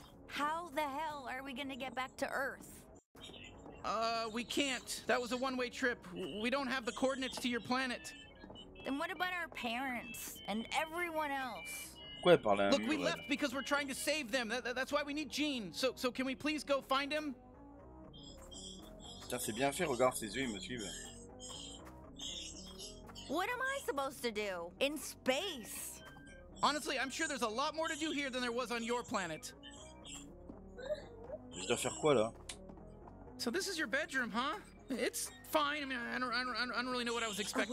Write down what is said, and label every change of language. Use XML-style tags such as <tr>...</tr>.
<en>How the hell are we gonna get back to Earth? We can't. That was a one-way trip. We don't have the coordinates to your planet. Then what about our parents and everyone else?</en> <fr>Pourquoi elle parle à un</fr> <en>Look, muret? We left because we're trying to save them. That's why we need Jean. So can we please go find him?</en> <fr>Putain, c'est bien fait, regarde ses yeux, ils me suivent.</fr> <en>What am I supposed to do in space? Honestly, I'm sure there's a lot more to do here than there was on your planet.</en> <fr>Je dois faire quoi là?</fr> <en>So this is your bedroom, huh? It's fine. I mean, I don't really know what I was expecting.</en>